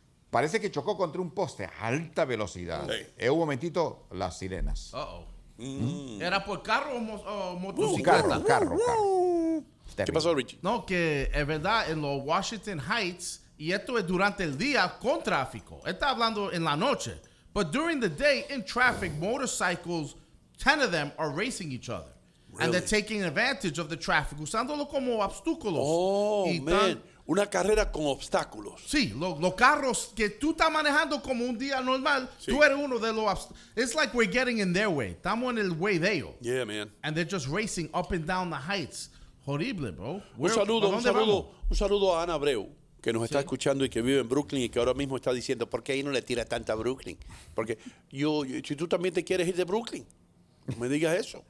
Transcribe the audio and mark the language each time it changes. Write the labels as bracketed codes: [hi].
[es] Parece que chocó contra un poste a alta velocidad. Hey. Un momentito, las sirenas. ¿Era por carro o motocicleta? Carro. ¿Qué pasó, Richie? No, que es verdad, en los Washington Heights, y esto es durante el día con tráfico. Está hablando en la noche. [en] But during the day, in traffic, motorcycles, 10 of them are racing each other. Really? And they're taking advantage of the traffic, [es] usándolo como obstáculos. Oh, man. Una carrera con obstáculos. Sí, los carros que tú estás manejando como un día normal, sí. Tú eres uno de los obstáculos. [en] It's like we're getting in their way. [es] Estamos en el way de ellos. [en] Yeah, man. And they're just racing up and down the heights. Horrible, bro. [es] Un saludo a Ana Abreu, que nos está escuchando y que vive en Brooklyn y que ahora mismo está diciendo, ¿por qué ahí no le tira tanto a Brooklyn? Porque si tú también te quieres ir de Brooklyn, no me digas eso.